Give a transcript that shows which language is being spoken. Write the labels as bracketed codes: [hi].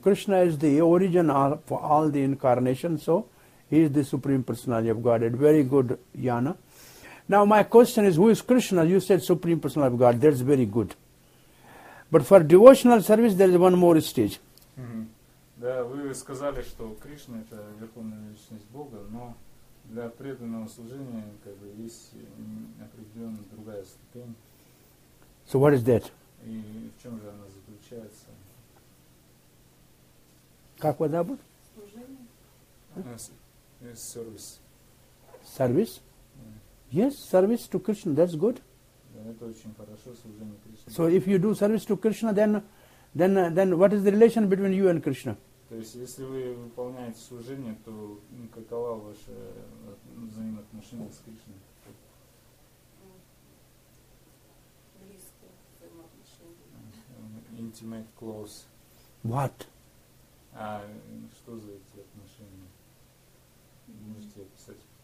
[en] Krishna is the origin of all the incarnations, so he is the Supreme Personality of Godhead. Very good, Yana. Now my question is, who is Krishna? You said Supreme Personality of God, that's very good. But for devotional service, there is one more stage. [ru] Да, вы сказали, что Кришна – это Верховная Личность Бога, но для преданного служения как бы есть определенная другая ступень. [en] So what is that? [ru] И в чем же она заключается? Как вас зовут? Служение. [en] Service. Service? Yes, service to Krishna, that's good. [ru] Да, это очень хорошо, служение Кришне. [en] So if you do service to Krishna, then what is the relation between you and Krishna? [ru] То есть, если вы выполняете служение, то какова ваша взаимоотношения с Кришной? Близкие взаимоотношения. [en] intimate close. What? [ru] Что за эти отношения? Можете описать?